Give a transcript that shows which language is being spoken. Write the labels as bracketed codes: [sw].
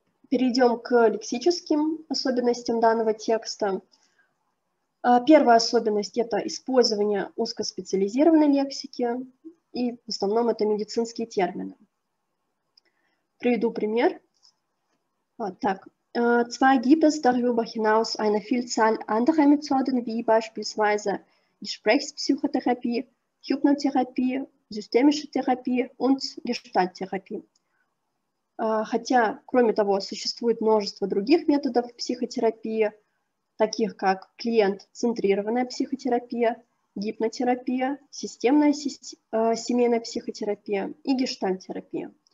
[ru] Перейдем к лексическим особенностям данного текста. Первая особенность – это использование узкоспециализированной лексики, и в основном это медицинские термины. Приведу пример. Так. [de] Zwar gibt es darüber hinaus eine Vielzahl anderer Methoden, wie beispielsweise Gesprächspsychotherapie, Hypnotherapie, systemische Therapie und Gestalttherapie. [ru] Хотя, кроме того, существует множество других методов психотерапии, таких как клиент-центрированная психотерапия, гипнотерапия, системная семейная психотерапия и гештальттерапия.